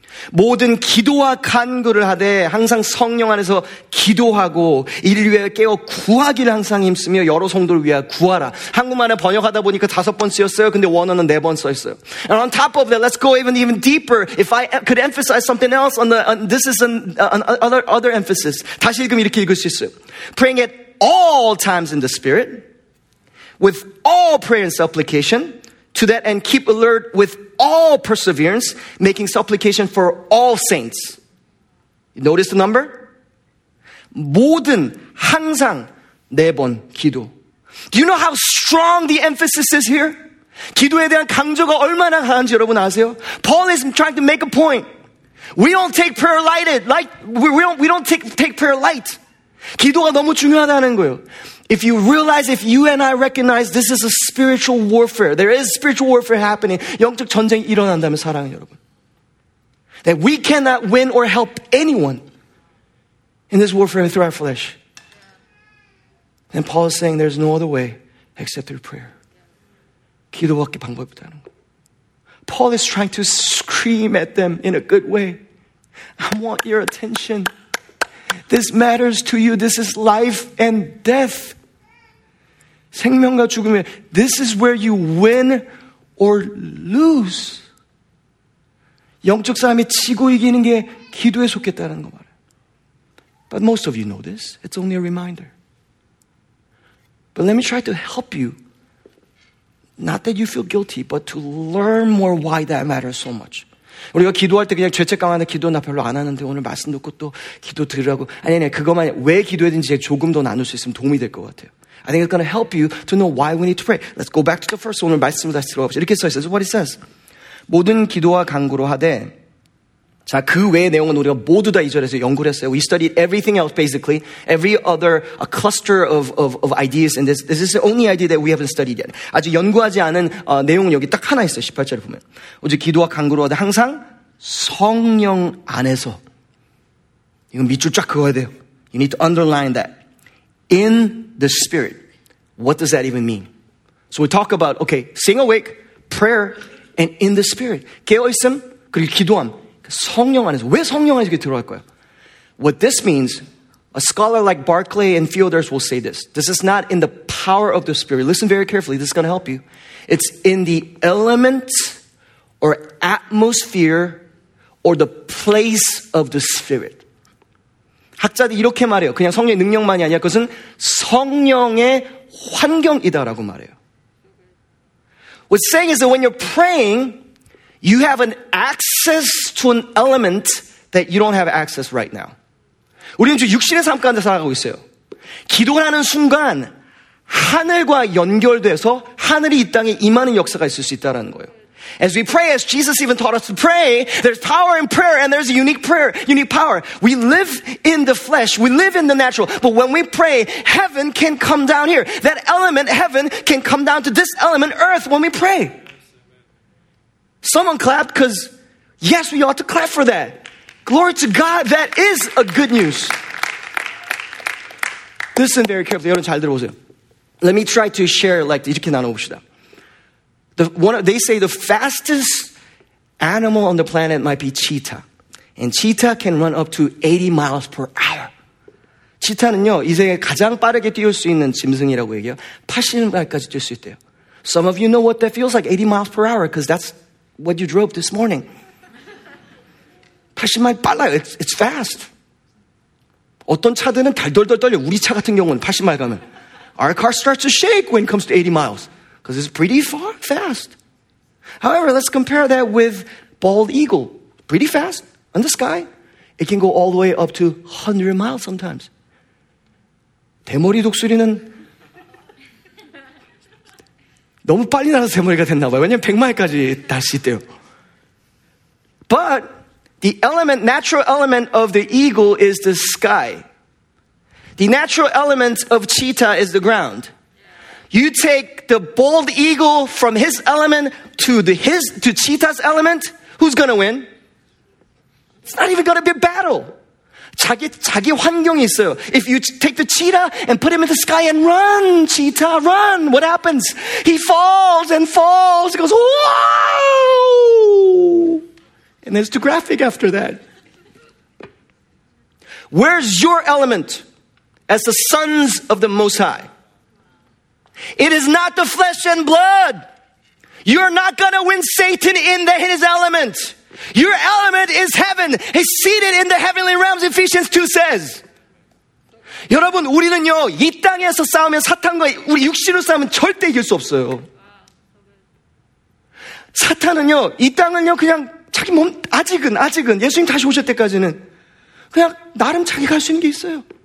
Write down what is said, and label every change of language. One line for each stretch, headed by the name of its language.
Korean: 모든 기도와 간구를 하되 항상 성령 안에서 기도하고 이를 위해 깨어 구하기를 항상 힘쓰며 여러 성도를 위하여 구하라. 한국말에 번역하다 보니까 다섯 번 쓰였어요. 근데 원어는 네 번 써있어요.
English: And on top of that, let's go even deeper. If I could emphasize something else this is another emphasis.
Korean: 다시 읽으면 이렇게 읽을 수 있어요.
English: Praying at all times in the spirit with all prayer and supplication to that and keep alert with all perseverance, making supplication for all saints. You notice the number?
Korean: 모든, 항상, 네 번 기도.
English: Do you know how strong the emphasis is here?
Korean: 기도에 대한 강조가 얼마나 강한지 여러분 아세요?
English: Paul is trying to make a point. We don't take prayer lighted. Like we don't take prayer light.
Korean: 기도가 너무 중요하다는 거예요.
English: If you realize, if you and I recognize this is a spiritual warfare, there is spiritual warfare happening.
Korean: 영적 전쟁이 일어난다면 사랑해 여러분.
English: That we cannot win or help anyone in this warfare through our flesh. And Paul is saying there's no other way except through prayer.
Korean: 기도밖에 방법이 없다는 거.
English: Paul is trying to scream at them in a good way. I want your attention. This matters to you. This is life and death.
Korean: 생명과 죽음에.
English: This is where you win or lose.
Korean: 영적 싸움에 치고 이기는 게 기도에 속했다는 거 말이야.
English: But most of you know this. It's only a reminder. But let me try to help you. Not that you feel guilty, but to learn more why that matters so much.
Korean: 우리가 기도할 때 그냥 죄책감 안에 기도 나 별로 안 하는데 오늘 말씀 듣고 또 기도 들으라고. 아니, 아니, 그것만 왜 기도해야 되는지 조금 더 나눌 수 있으면 도움이 될 것 같아요.
English: I think it's going to help you to know why we need to pray. Let's go back to the first one.
Korean: 오늘 말씀을 다시 들어봅시다. 이렇게 써 있어요.
English: This is what it says.
Korean: 모든 기도와 간구로 하되. 자, 그 외의 내용은 우리가 모두 다 2절에서 연구를 했어요.
English: We studied everything else basically. Every other a cluster of ideas in this. This is the only idea that we haven't studied yet.
Korean: 아직 연구하지 않은 내용은 여기 딱 하나 있어요. 18절에 보면. 어제 기도와 간구로 하되 항상 성령 안에서. 이건 밑줄 쫙 그어야 돼요.
English: You need to underline that. In the spirit. What does that even mean? So we talk about, okay, staying awake, prayer, and in the spirit.
Korean: 깨어있음, 그리고 기도함. 성령 안에서. 왜 성령 안에서 들어갈 거야?
English: What this means, a scholar like Barclay and few others will say this. This is not in the power of the Spirit. Listen very carefully. This is going to help you. It's in the element or atmosphere or the place of the Spirit.
Korean: 학자들이 이렇게 말해요. 그냥 성령의 능력만이 아니야. 그것은 성령의 환경이다라고 말해요.
English: What it's saying is that when you're praying, you have an access to an element that you don't have access right now.
Korean: 우리는 지금 육신의 삶 가운데 살아가고 있어요. 기도하는 순간 하늘과 연결돼서 하늘이 이 땅에 임하는 역사가 있을 수 있다는 거예요.
English: As we pray, as Jesus even taught us to pray, there's power in prayer and there's a unique prayer, unique power. We live in the flesh, we live in the natural, but when we pray, heaven can come down here. That element, heaven, can come down to this element, earth, when we pray. Someone clapped because, yes, we ought to clap for that. Glory to God, that is a good news. Listen very carefully.
Korean: 여러분 잘 들어보세요.
English: Let me try to share like
Korean: 이렇게 나눠봅시다.
English: They say the fastest animal on the planet might be cheetah. And cheetah can run up to 80 miles per hour.
Korean: 치타는요, 이 세상에 가장 빠르게 뛸 수 있는 짐승이라고 얘기해요. 80마일까지 뛸 수 있대요.
English: Some of you know what that feels like, 80 miles per hour, because that's what you drove this morning.
Korean: 80마일 빨라요.
English: It's fast.
Korean: 어떤 차들은 달덜덜 떨려. 우리 차 같은 경우는 80마일 가면.
English: Our car starts to shake when it comes to 80 miles. Because it's pretty far, fast. However, let's compare that with bald eagle. Pretty fast, in the sky. It can go all the way up to 100 miles sometimes.
Korean: 대머리 독수리는 너무 빨리 날아서 대머리가 됐나 봐요. 왜냐면 100마일까지 날 수 있대요.
English: But the element, natural element of the eagle is the sky. The natural element of cheetah is the ground. You take the bald eagle from his element to cheetah's element, who's going to win? It's not even going to be a battle.
Korean: 자기 환경이 있어요.
English: If you take the cheetah and put him in the sky and run, cheetah, run. What happens? He falls and falls. He goes, whoa! And there's the graphic after that. Where's your element as the sons of the Most High? It is not the flesh and blood. You're not going to win Satan in his element. Your element is heaven. He's seated in the heavenly realms, Ephesians 2 says.
Korean: 여러분, 우리는요, 이 땅에서 싸우면 사탄과 우리 육신으로 싸우면 절대 이길 수 없어요. 사탄은요, 이 땅은요, 그냥 자기 몸, 아직은, 예수님 다시 오실 때까지는 그냥 나름 자기가 할 수 있는 게 있어요.